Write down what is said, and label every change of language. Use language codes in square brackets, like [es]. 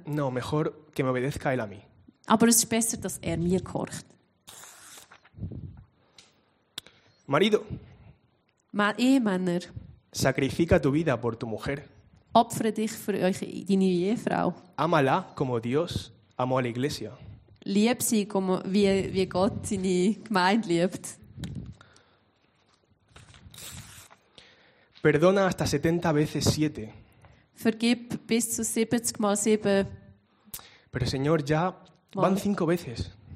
[es] No, mejor que me obedezca él a mí. [de] Aber es ist besser, dass er mir gehorcht. [es] Marido. [de] Ehemänner. [es] Sacrifica tu vida por tu mujer. [de] Opfere dich für deine Ehefrau. [es] Amala como Dios amó a la iglesia. [de] Lieb sie, como, wie Gott seine Gemeinde liebt. [es] Perdona hasta 70 veces 7. [de] Vergib bis zu 70 mal 7. [es] Pero señor, ya van 5 veces.